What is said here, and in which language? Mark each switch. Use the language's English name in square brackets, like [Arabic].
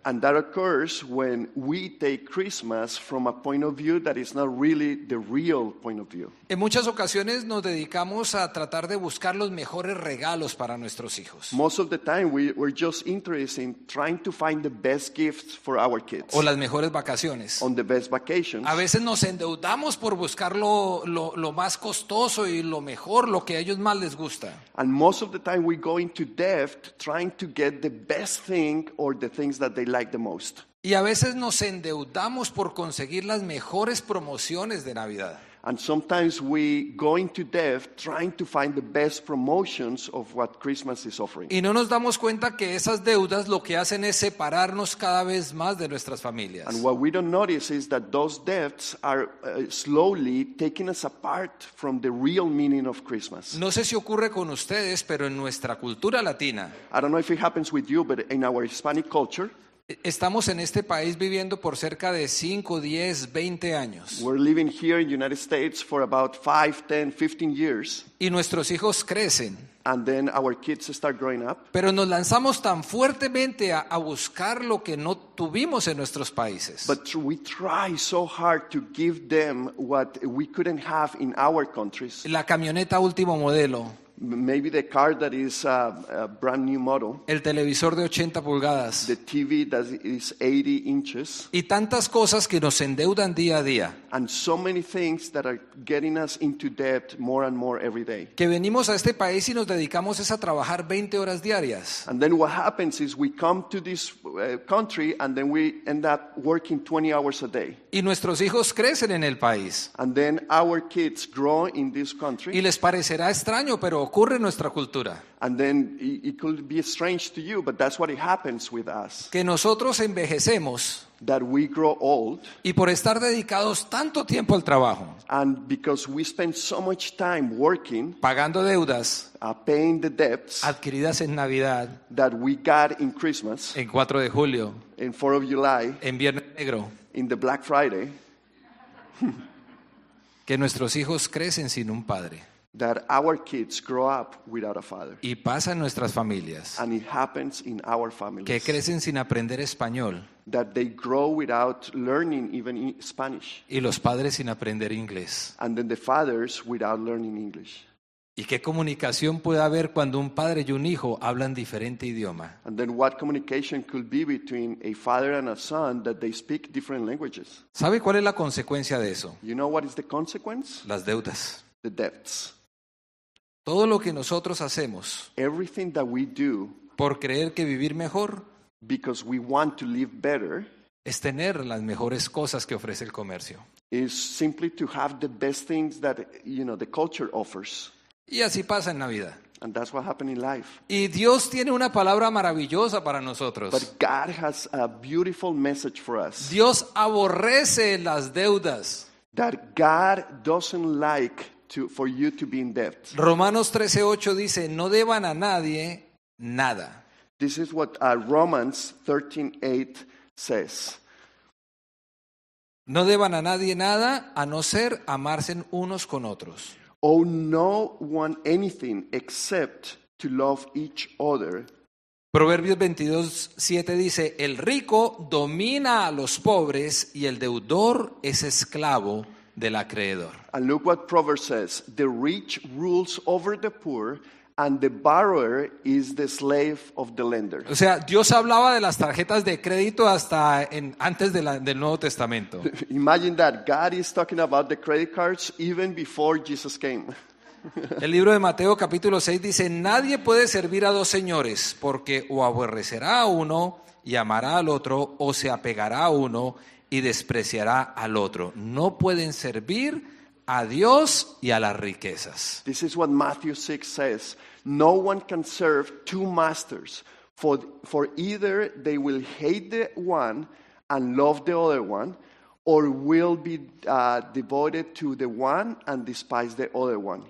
[English] And that occurs when we take Christmas from a point of view that is not really the real point of view. [Spanish] En muchas ocasiones nos dedicamos a tratar de buscar los mejores regalos para nuestros hijos. [English] Most of the time we're just interested in trying to find the best gifts for our kids. [Spanish] O las mejores vacaciones. [English] On the best vacations. [Spanish] A veces nos endeudamos por buscar lo más costoso y lo mejor, lo que a ellos más les gusta. [English] And most of the time we go into debt trying to get the best thing or the things that they like the most. [Spanish] Y a veces nos endeudamos por conseguir las mejores promociones de Navidad. [English] And sometimes we go into debt trying to find the best promotions of what Christmas is offering. [Spanish] Y no nos damos cuenta que esas deudas lo que hacen es separarnos cada vez más de nuestras familias. [English] And what we don't notice is that those debts are slowly taking us apart from the real meaning of Christmas. [Spanish] No sé si ocurre con ustedes, pero en nuestra cultura latina, [English] I don't know if it happens with you, but in our Hispanic culture, [Spanish] estamos en este país viviendo por cerca de 5, 10, 20 años. [English] We're living here in the United States for about 5, 10, 15 years. [Spanish] Y nuestros hijos crecen. [English] And then our kids start growing up. [Spanish] Pero nos lanzamos tan fuertemente a buscar lo que no tuvimos en nuestros países. [English] But we try so hard to give them what we couldn't have in our countries. [Spanish] La camioneta último modelo. [English] Maybe the car that is a brand new model. [Spanish] El televisor de 80 pulgadas. [English] The TV that is 80 inches. [Spanish] Y tantas cosas que nos endeudan día a día. [English] And so many things that are getting us into debt more and more every day. [Spanish] Que venimos a este país y nos dedicamos es a trabajar 20 horas diarias. [English] And then what happens is we come to this country and then we end up working 20 hours a day. [Spanish] Y nuestros hijos crecen en el país. [English] And then our kids grow in this country. [Spanish] Y les parecerá extraño, pero ocurre en nuestra cultura. [English] And then it could be strange to you, but that's what it happens with us. [Spanish] Que nosotros envejecemos. [English] That we grow old. [Spanish] Y por estar dedicados tanto tiempo al trabajo. [English] And because we spend so much time working. [Spanish] Pagando deudas. [English] Paying the debts. [Spanish] Adquiridas en Navidad. [English] That we got in Christmas. [Spanish] En 4 de julio. [English] In 4 of July. [Spanish] En Viernes Negro. [English] In the Black Friday. [Spanish] Que nuestros hijos crecen sin un padre. [English] That our kids grow up without a father. [Spanish] Y pasa en nuestras familias. [English] And it happens in our families. [Spanish] Que crecen sin aprender español. [English] That they grow without learning even Spanish. [Spanish] Y los padres sin aprender inglés. [English] And then the fathers without learning English. [Spanish] ¿Y qué comunicación puede haber cuando un padre y un hijo hablan diferente idioma? [English] And then what communication could be between a father and a son that they speak different languages? [Spanish] ¿Sabe cuál es la consecuencia de eso? [English] You know what is the consequence? [Spanish] Las deudas. [English] The debts. [Spanish] Todo lo que nosotros hacemos. [English] Everything that we do. [Spanish] Por creer que vivir mejor. [English] Because we want to live better. [Spanish] Es tener las mejores cosas que ofrece el comercio. [English] Is simply to have the best things that, you know, the culture offers. [Spanish] Y así pasa en Navidad. [English] And that's what happened in life. [Spanish] Y Dios tiene una palabra maravillosa para nosotros. [English] But God has a beautiful message for us. [Spanish] Dios aborrece las deudas. [English] That God doesn't like for you to be in debt. [Spanish] Romanos 13:8 dice, no deban a nadie nada. [English] This is what Romans 13:8 says. [Spanish] No deban a nadie nada, a no ser amarse unos con otros. [English] Owe no one anything except to love each other. [Spanish] Proverbios 22:7 dice, el rico domina a los pobres y el deudor es esclavo del acreedor. [English] And look what Proverbs says, the rich rules over the poor and the borrower is the slave of the lender. [Spanish] O sea, Dios hablaba de las tarjetas de crédito hasta antes del Nuevo Testamento. [English] Imagine that God is talking about the credit cards even before Jesus came. [Spanish] El libro de Mateo capítulo 6 dice, nadie puede servir a dos señores, porque o aborrecerá a uno y amará al otro, o se apegará a uno y despreciará al otro. No pueden servir a Dios y a las riquezas. [English] This is what Matthew 6 says. No one can serve two masters, for either they will hate the one and love the other one, or will be devoted to the one and despise the other one.